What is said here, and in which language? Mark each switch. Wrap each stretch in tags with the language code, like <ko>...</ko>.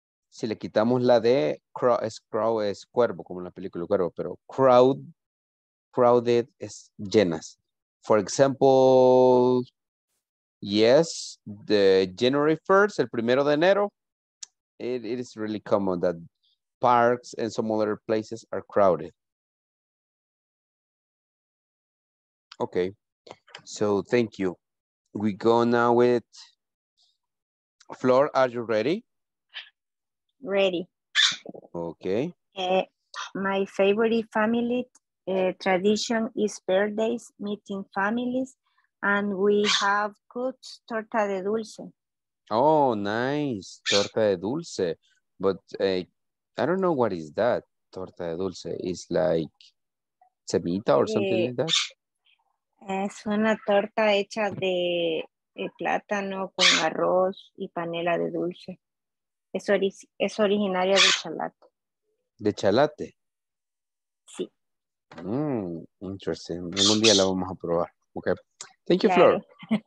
<es>Si le quitamos la D, crowd es cuervo, como en la película cuervo, pero crowd, crowded es llenas.</es> <en>For example, yes, the January 1st,</en> <es>el primero de enero,</es> <en>it is really common that parks and some other places are crowded. Okay, so thank you. We go now with Flor, are you ready? Ready. Okay. My favorite family tradition is birthdays, meeting families, and we have cooked torta de dulce. Oh, nice. Torta de dulce. But I don't know what is that, torta de dulce. It's like semita or something like that?</en> <es>Es una torta hecha de plátano con arroz y panela de dulce. Es originaria de Chalate. ¿De Chalate? Sí. Mm, interesting. Algún día la vamos a probar. Okay.</es> <en>Thank you,</en> <es>claro. Flor.</es>